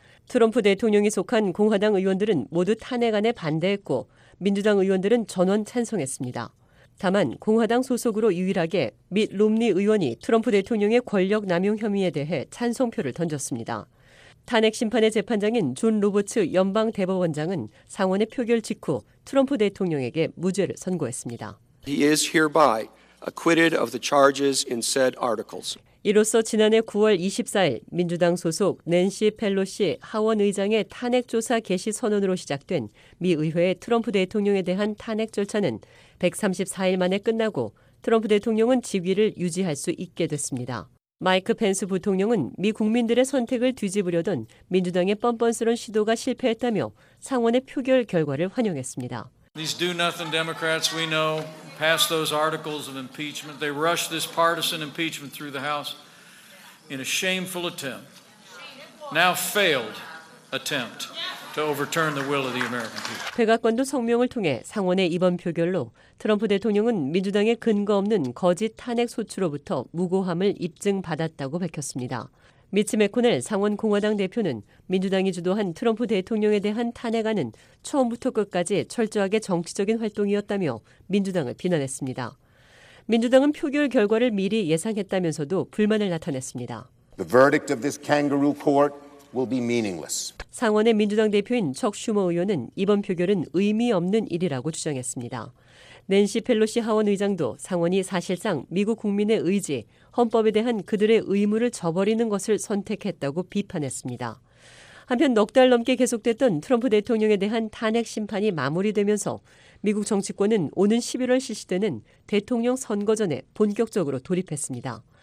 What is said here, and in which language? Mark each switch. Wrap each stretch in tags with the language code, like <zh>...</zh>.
<ko>트럼프 대통령이 속한 공화당 의원들은 모두 탄핵안에 반대했고 민주당 의원들은 전원 찬성했습니다. 다만 공화당 소속으로 유일하게 밋 롬니 의원이 트럼프 대통령의 권력 남용 혐의에 대해 찬성표를 던졌습니다. 탄핵 심판의 재판장인 존 로버츠 연방 대법원장은 상원의 표결 직후 트럼프 대통령에게 무죄를 선고했습니다.</ko> <en>He is hereby acquitted of the charges in said articles.</en> <ko>이로써 지난해 9월 24일 민주당 소속 낸시 펠로시 하원의장의 탄핵조사 개시 선언으로 시작된 미 의회의 트럼프 대통령에 대한 탄핵 절차는 134일 만에 끝나고 트럼프 대통령은 직위를 유지할 수 있게 됐습니다. 마이크 펜스 부통령은 미 국민들의 선택을 뒤집으려던 민주당의 뻔뻔스러운 시도가 실패했다며 상원의 표결 결과를 환영했습니다.</ko> <en>These do-nothing Democrats we know pass those articles of impeachment. They rush this partisan impeachment through the House in a shameful attempt, now failed attempt to overturn the will of the American people.</en> <ko>백악관도 성명을 통해 상원의 이번 표결로 트럼프 대통령은 민주당의 근거 없는 거짓 탄핵 소추로부터 무고함을 입증받았다고 밝혔습니다. 미치 맥코넬 상원 공화당 대표는 민주당이 주도한 트럼프 대통령에 대한 탄핵안은 처음부터 끝까지 철저하게 정치적인 활동이었다며 민주당을 비난했습니다. 민주당은 표결 결과를 미리 예상했다면서도 불만을 나타냈습니다.</ko> <en>The verdict of this kangaroo court will be meaningless.</en> <ko>상원의 민주당 대표인 척 슈머 의원은 이번 표결은 의미 없는 일이라고 주장했습니다. 낸시 펠로시 하원의장도 상원이 사실상 미국 국민의 의지, 헌법에 대한 그들의 의무를 저버리는 것을 선택했다고 비판했습니다. 한편 넉 달 넘게 계속됐던 트럼프 대통령에 대한 탄핵 심판이 마무리되면서 미국 정치권은 오는 11월 실시되는 대통령 선거전에 본격적으로 돌입했습니다.</ko>